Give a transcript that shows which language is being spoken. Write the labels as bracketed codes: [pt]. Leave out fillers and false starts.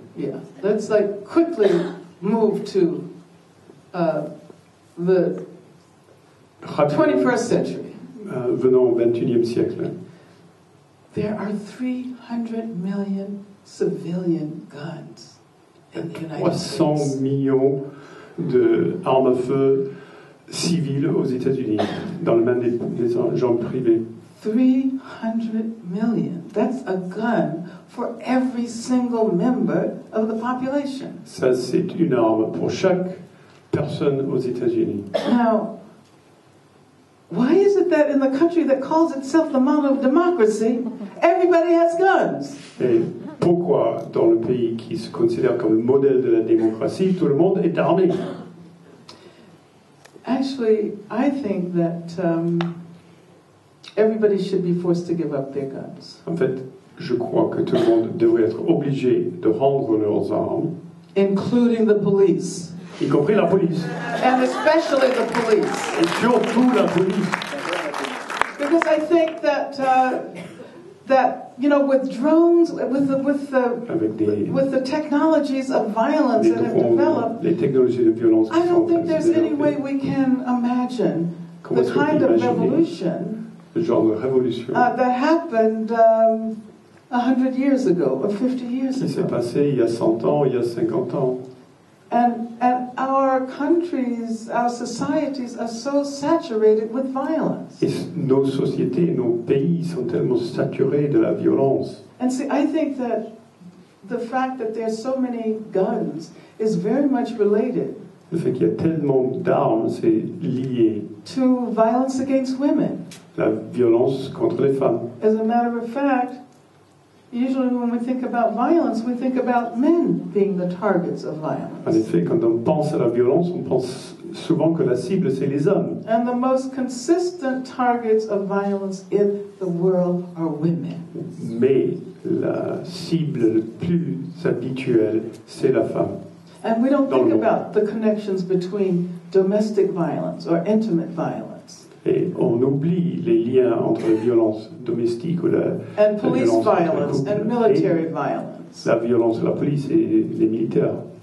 [en] Yeah, let's like quickly move to the 21st century. [fr] Venons au 21e siècle. [en] There are 300 million civilian guns in the United States. [fr] 300 millions de armes à feu civiles aux États-Unis, dans les mains des gens privés. [en] 300 million. That's a gun for every single member of the population. [fr] Ça, c'est une arme pour chaque personne aux États-Unis. [en] Now, why is it that in the country that calls itself the mom of democracy, everybody has guns? [fr] Et pourquoi dans le pays qui se considère comme le modèle de la démocratie, tout le monde est armé? [en] Actually, I think that everybody should be forced to give up their guns. [fr] En fait, je crois que tout le monde devrait être obligé de rendre leurs armes. [en] Including the police. [fr] Y compris la police. [en] And especially the police. [fr] Et surtout la police. [en] Because I think that you know, with drones, with the technologies of violence [fr] les drones, [en] that have developed, [fr] les technologies de violence qui [en] I don't think there's any way we can imagine the kind of revolution. [fr] Le genre de révolution [en] that happened 100 years ago or 50 years ago. [fr] Qui s'est passé il y a 100 ans, il y a 50 ans. [en] And our countries, our societies are so saturated with violence. [fr] Et nos sociétés, nos pays sont tellement saturés de la violence. [en] And see, I think that the fact that there are so many guns is very much related. [fr] Le fait qu'il y a tellement d'armes, c'est lié. [en] To violence against women. [fr] La violence contre les femmes. [en] As a matter of fact, usually when we think about violence, we think about men being the targets of violence. [fr] En effet, quand on pense à la violence, on pense souvent que la cible, c'est les hommes. [en] And the most consistent targets of violence in the world are women. [fr] Mais la cible la plus habituelle, c'est la femme. [en] And we don't think about the connections between domestic violence or intimate violence. [fr] Et on oublie les liens entre la violence domestique ou [en] and police violence and military violence. [fr] La violence de la police et les militaires.